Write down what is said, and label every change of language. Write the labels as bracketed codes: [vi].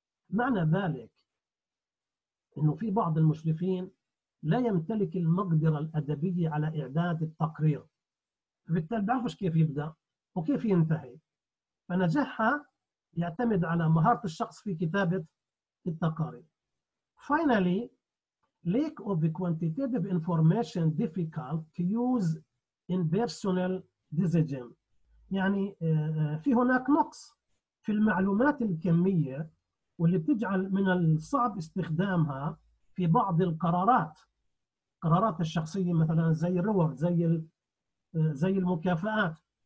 [ar] معنى ذلك إنه في بعض المشرفين لا يمتلك المقدرة الأدبية على إعداد التقرير، بالتالي بعرفش كيف يبدأ وكيف ينتهي. فنجاحها يعتمد على مهارة الشخص في كتابة التقارير. [en] Finally Lack of the quantitative information difficult to use in personal decision. [ar] يعني في هناك نقص في المعلومات الكمية واللي بتجعل من الصعب استخدامها في بعض القرارات، قرارات الشخصية مثلا زي الريورد، زي المكافآت.